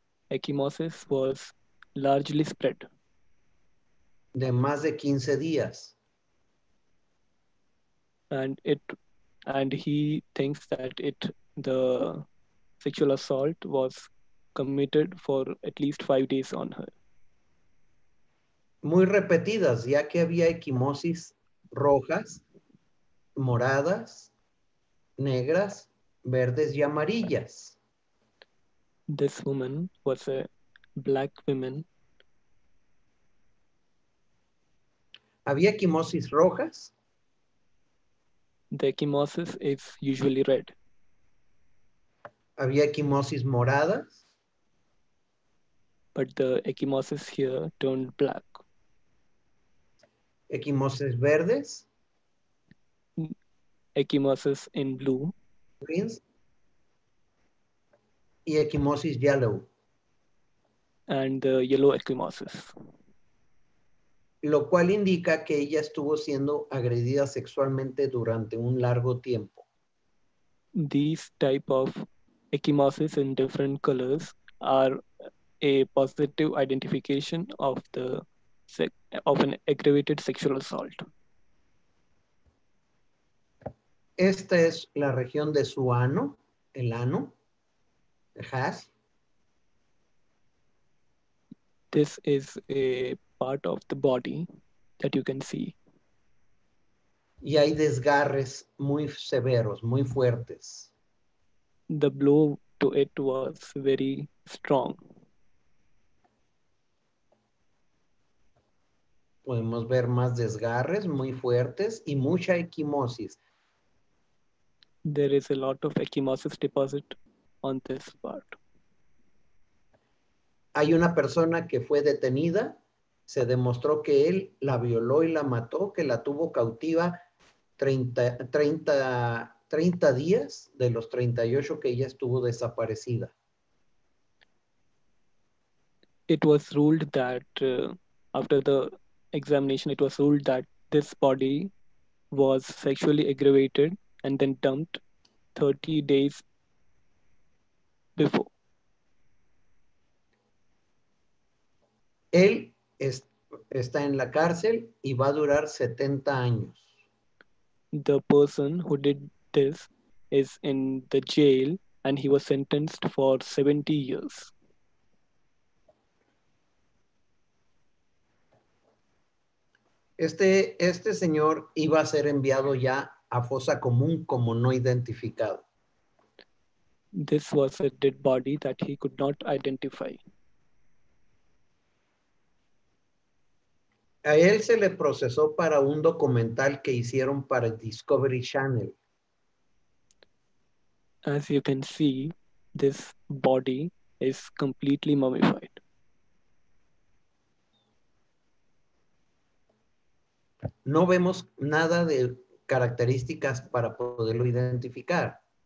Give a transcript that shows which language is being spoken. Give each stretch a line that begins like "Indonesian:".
English: Ecchymosis was largely spread.
Spanish: De más de 15 días.
English: And he thinks that the sexual assault was committed for at least 5 days on her.
Spanish: Muy repetidas, ya que había ecchymosis rojas, moradas, negras, verdes y amarillas.
English: This woman was a black woman.
Spanish: Había ecchymosis rojas.
English: The ecchymosis is usually red.
Spanish: Había ecchymosis moradas.
English: But the ecchymosis here turned black.
Spanish: Ecchymosis verdes.
English: Ecchymosis in blue. Greens.
Spanish: Y ecchymosis
English: yellow. And the yellow ecchymosis.
Spanish: Lo cual indica que ella estuvo siendo agredida sexualmente durante un largo tiempo.
English: These type of ecchymosis in different colors are a positive identification of the of an aggravated sexual assault.
Spanish: Esta es la región de su ano, el ano, el has.
English: This is a part of the body that you can see.
Spanish: Y hay desgarres muy severos, muy fuertes.
English: The blow to it was very strong.
Spanish: Podemos ver más desgarres muy fuertes y mucha ecchymosis.
English: There is a lot of ecchymosis deposit on this part.
Spanish: Hay una persona que fue detenida. Se demostró que él la violó y la mató, que la tuvo cautiva 30 días de los 38 que ella estuvo desaparecida.
English: It was ruled that after the examination, it was ruled that this body was sexually aggravated and then dumped 30 days before.
Spanish: Él está en la cárcel y va a durar 70 años.
English: The person who did this is in the jail and he was sentenced for 70 years.
Spanish: Este señor iba a ser enviado ya a fosa común como no identificado.
English: This was a dead body that he could not identify.
Spanish: A él se le procesó para un documental que hicieron para Discovery Channel.
English: As you can see, this body is completely mummified.
Spanish: No vemos nada de características para poderlo identificar.